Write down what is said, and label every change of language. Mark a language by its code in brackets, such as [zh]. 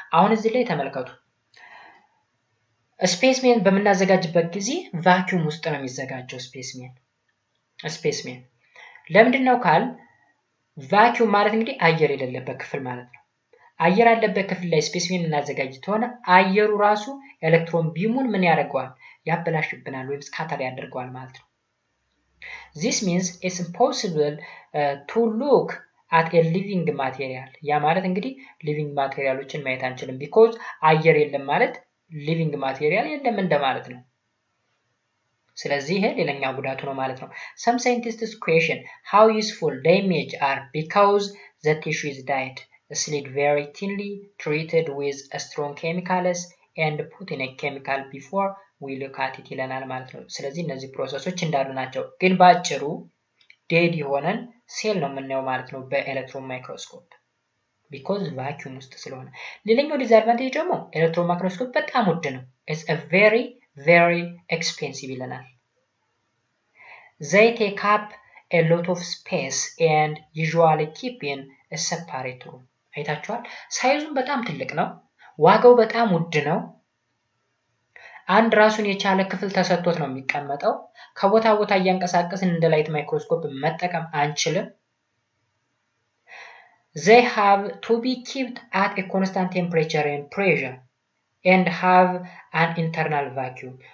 [am] አሁን እዚህ ላይ ተመልከቱ ስፔስሜን በመናዘጋጅበት ጊዜ ቫኩም ውስጥ ነው የሚዘጋጀው ስፔስሜን። ለምንድን ነው ካል ቫኩም ማለት እንግዲህ አየር የሌለበት ክፍል ማለት ነው። አየር ያለበት ክፍል ላይ ስፔስሜን እናዘጋጅ ተሆነ አየሩ ራሱ ኤሌክትሮን ቢሙን ምን ያደርጋል ያበላሽብናል ወይስ ስካተር ያደርጋል ማለት ነው። [en] This means it's impossible to look at a living material. [am] ያ ማለት እንግዲህ living materialዎችን ማየት አንችልም because አየር የለም ማለት living material የለም እንደማለት ነው። ስለዚህ ይሄ ሌላኛ ጉዳቱ ነው ማለት ነው። [en] Some scientists question how useful the image are because the tissue is dyed, slid very thinly, treated with strong chemicals and put in a chemical before we look at it [am] ይለናል ማለት ነው። ስለዚህ እነዚህ ፕሮሰሶች እንዳሉ ናቸው። ግን ባጭሩ dead የሆነን ሴል ነው የምናየው ማለት ነው በኤሌክትሮን ማይክሮስኮፕ [en] because vacuum [am] ውስጥ ስለሆነ። ሌላኛው ዲስአድቫንቴጅ ደግሞ ኤሌክትሮን ማይክሮስኮፕ በጣም ውድ ነው። [en] It's a very very expensive [am] ይለናል። [en] They take up a lot of space and usually keep in a separate room. [am] አይታችኋል? ሳይዙም በጣም ትልቅ ነው። ዋጋው በጣም ውድ ነው። አንድ ራሱን የቻለ ክፍል ተሰጥቶት ነው የሚቀመጠው። ከቦታ ቦታ እያንቀሳቀስን እንደ ላይት ማይክሮስኮፕ መጠቀም አንችልም። [en] They have to be kept at a constant temperature and pressure and have an internal vacuum.